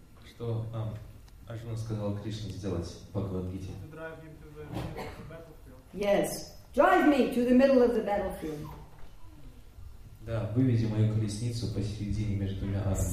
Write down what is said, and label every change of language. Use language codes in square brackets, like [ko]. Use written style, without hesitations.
[ru] Что Арджуна сказал Кришне сделать в Бхагавад-гите? [en] Yes, drive me to the middle of the battlefield. [ru] Да, выведи мою колесницу посередине между двумя армиями.